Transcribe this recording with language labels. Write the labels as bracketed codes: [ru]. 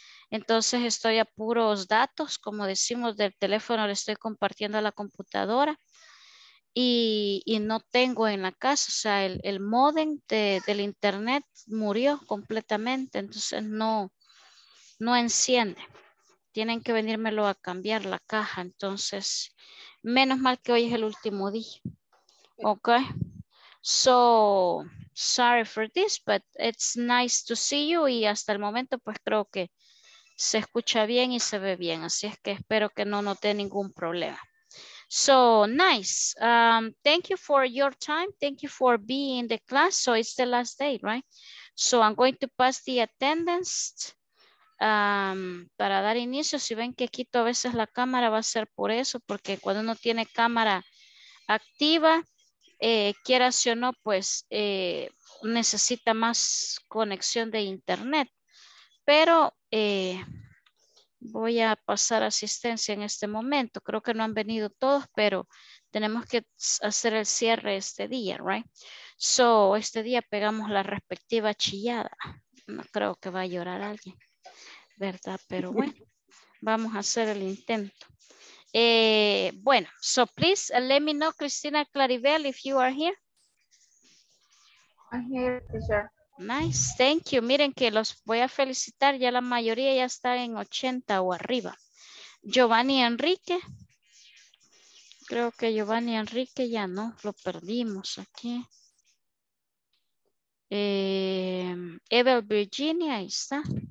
[es] Entonces estoy a puros datos, como decimos, del teléfono le estoy compartiendo a la computadora y no tengo en la casa, o sea, el módem del internet murió completamente, entonces no enciende. Tienen que venírmelo a cambiar la caja, entonces menos mal que hoy es el último día. [en] Ok, so sorry for this, but it's nice to see you. [es] Y hasta el momento, pues creo que se escucha bien y se ve bien. Así es que espero que no note ningún problema. [en] So nice. Thank you for your time. Thank you for being in the class. So it's the last day, right? So I'm going to pass the attendance [es] para dar inicio. Si ven que quito a veces la cámara, va a ser por eso, porque cuando uno tiene cámara activa, quieras o no, pues necesita más conexión de internet. Pero voy a pasar asistencia en este momento. Creo que no han venido todos, pero tenemos que hacer el cierre este día, right? So, este día pegamos la respectiva chillada. No creo que va a llorar alguien, ¿verdad? Pero bueno, vamos a hacer el intento. [en] Bueno, so please let me know, Cristina Claribel, if you are here. I'm here, teacher. Nice, thank you. [es] Miren que los voy a felicitar, ya la mayoría ya está en 80 o arriba. Giovanni Enrique. Creo que Giovanni Enrique ya no, lo perdimos aquí. Evel Virginia, ahí está.